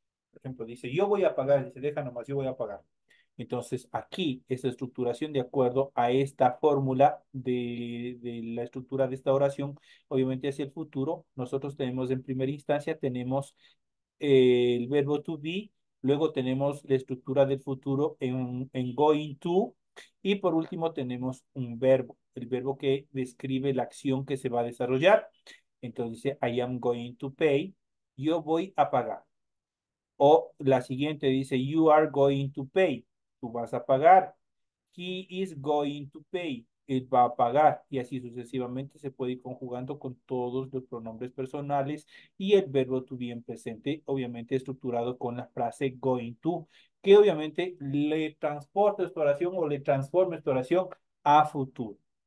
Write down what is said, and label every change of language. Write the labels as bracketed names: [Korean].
[Spanish] Por ejemplo, dice, yo voy a pagar, dice, deja nomás, yo voy a pagar. Entonces, aquí esa estructuración de acuerdo a esta fórmula de la estructura de esta oración, obviamente hacia el futuro, nosotros tenemos en primera instancia, tenemos el verbo to be, luego tenemos la estructura del futuro en going to, y por último tenemos un verbo, el verbo que describe la acción que se va a desarrollar. Entonces dice, [English] I am going to pay, [Spanish] yo voy a pagar. O la siguiente dice, [English] you are going to pay. [Spanish] Tú vas a pagar. [English] He is going to pay. [Spanish] Él va a pagar. Y así sucesivamente se puede ir conjugando con todos los pronombres personales y el verbo to be en presente, obviamente estructurado con la frase going to, que obviamente le transporta esta oración o le transforma esta oración a futuro.